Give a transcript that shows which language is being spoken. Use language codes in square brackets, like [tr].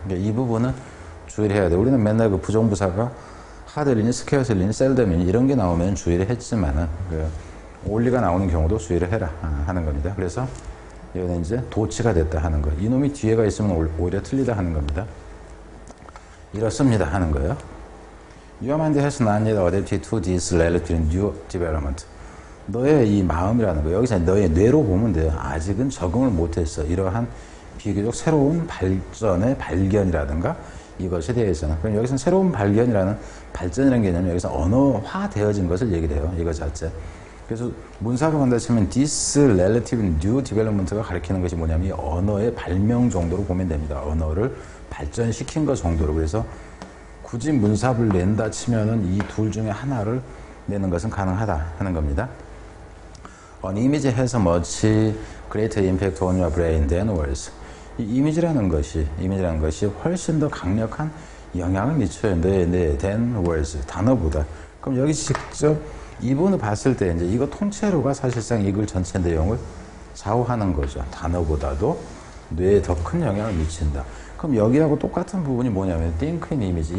[ko] 그러니까 이 부분은 주의해야 돼요. 우리는 맨날 그 부정부사가 하들린이, 스케어슬린이, 셀더미니 이런 게 나오면 주의를 했지만은 그 올리가 나오는 경우도 주의를 해라 하는 겁니다. 그래서 얘는 이제 도치가 됐다 하는 거예요. 이놈이 뒤에가 있으면 오히려 틀리다 하는 겁니다. 이렇습니다 하는 거예요. [en] Your mind has not yet adapted to this relatively new development. [ko] 너의 이 마음이라는 거예요. 여기서 너의 뇌로 보면 돼요. 아직은 적응을 못했어. 이러한 비교적 새로운 발전의 발견이라든가 이것에 대해서는. 그럼 여기서 새로운 발견이라는 발전이라는 개념이 여기서 언어화되어진 것을 얘기해요. 이거 자체. 그래서 문사가 본다 치면 [en] this relative new development [ko] 가 가리키는 것이 뭐냐면 이 언어의 발명 정도로 보면 됩니다. 언어를 발전시킨 것 정도로. 그래서 굳이 문사를 낸다 치면은 이둘 중에 하나를 내는 것은 가능하다 하는 겁니다. [en] An image has a much greater impact on your brain than words. [ko] 이 이미지라는 것이 훨씬 더 강력한 영향을 미쳐요. 네, [en] than words, [ko] 단어보다. 그럼 여기 직접 이분을 봤을 때 이제 이거 통째로가 사실상 이글 전체 내용을 좌우하는 거죠. 단어보다도 뇌에 더큰 영향을 미친다. 그럼 여기하고 똑같은 부분이 뭐냐면 [en] think in image.